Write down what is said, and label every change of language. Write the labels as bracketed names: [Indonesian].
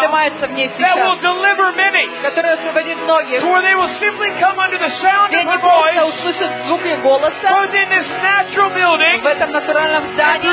[Russian] Поднимается в ней сейчас. [English] That will deliver many. [Russian] Которая освободит многих. [English] For they will simply come under the sound of her voice. [Russian] Они просто услышат звук ее голоса. [English] Both in this natural building. [Russian] В этом натуральном здании.